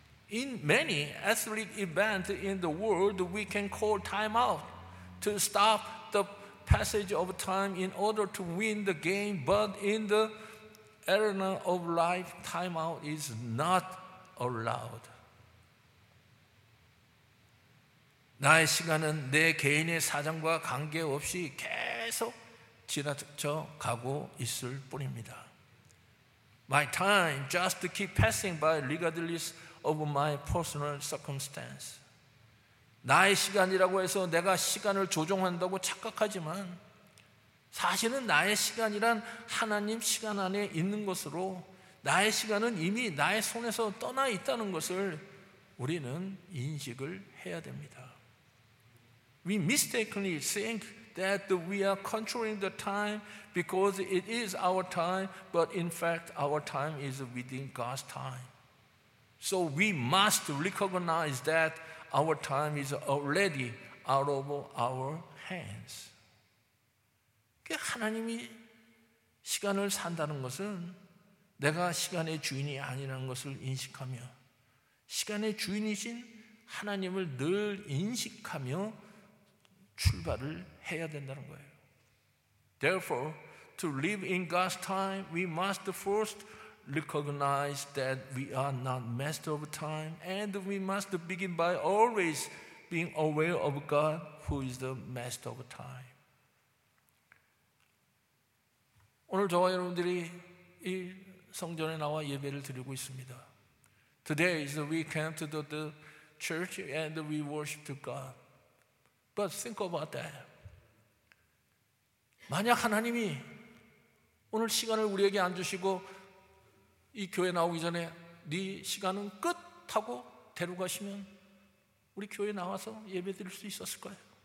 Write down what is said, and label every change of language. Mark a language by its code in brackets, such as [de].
[en] In many athletic events in the world, we can call time out to stop the passage of time in order to win the game, but in the arena of life, time out is not allowed. [ko] 나의 시간은 내 개인의 사정과 관계없이 계속 지나쳐 가고 있을 뿐입니다. [en] My time just keep passing by regardless of my personal circumstance. [ko] 나의 시간이라고 해서 내가 시간을 조종한다고 착각하지만 사실은 나의 시간이란 하나님 시간 안에 있는 것으로 나의 시간은 이미 나의 손에서 떠나 있다는 것을 우리는 인식을 해야 됩니다. [en] We mistakenly think that we are controlling the time because it is our time, but in fact, our time is within God's time. So we must recognize that our time is already out of our hands. [ko] 하나님이 시간을 산다는 것은 내가 시간의 주인이 아니라는 것을 인식하며 시간의 주인이신 하나님을 늘 인식하며 출발을 해야 된다는 거예요. [en] Therefore, to live in God's time, we must first recognize that we are not master of time, and we must begin by always being aware of God, who is the master of time. [ko] 오늘 저와 여러분들이 이 성전에 나와 예배를 드리고 있습니다. [en] Today is we came to the church and we worship to God. But think about that. [ko] 만약 하나님이 오늘 시간을 우리에게 안 주시고 이 교회 나오기 전에 네 시간은 끝 하고 데려가시면 우리 교회 나와서 예배 드릴 수 있었을까요?